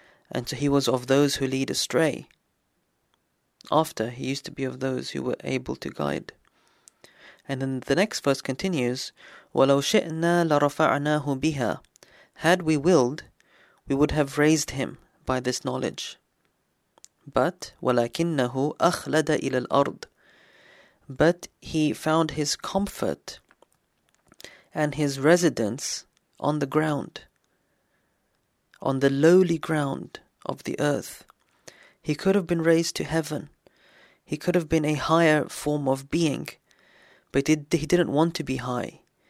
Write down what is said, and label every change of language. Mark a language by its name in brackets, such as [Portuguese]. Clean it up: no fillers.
[English] And so he was of those who lead astray. After, he used to be of those who were able to guide. And then the next verse continues, [Arabic] وَلَوْ شِئْنَا لَرَفَعْنَاهُ بِهَا. [English] Had we willed, we would have raised him by this knowledge. [Arabic] But ولكنه أخلد إلى الأرض. [English] But he found his comfort and his residence on the ground, on the lowly ground of the earth. He could have been raised to heaven. He could have been a higher form of being, but he didn't want to be high.